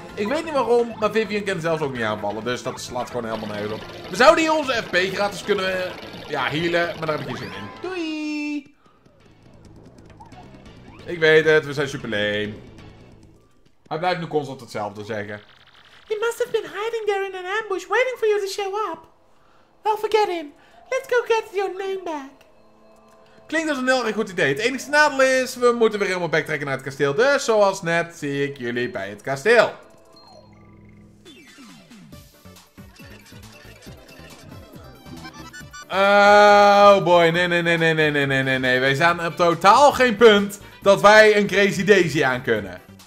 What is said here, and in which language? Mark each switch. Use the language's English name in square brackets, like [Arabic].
[Dutch] Ik weet niet waarom, maar Vivian kan zelfs ook niet aanvallen. Dus dat slaat gewoon helemaal neer op. We zouden hier onze FP gratis kunnen healen. Maar daar heb ik geen zin in. Doei! Ik weet het, we zijn super lame. Hij blijft nu constant hetzelfde zeggen. [English] He must have been hiding there in an ambush, waiting for you to show up. Well, forget him. Let's go get your name back. [Dutch] Klinkt als een heel erg goed idee. Het enige nadeel is, we moeten weer helemaal backtracken naar het kasteel. Dus zoals net zie ik jullie bij het kasteel. [English] Oh boy, [Dutch] nee. Wij staan op totaal geen punt dat wij een Crazy Daisy aan kunnen.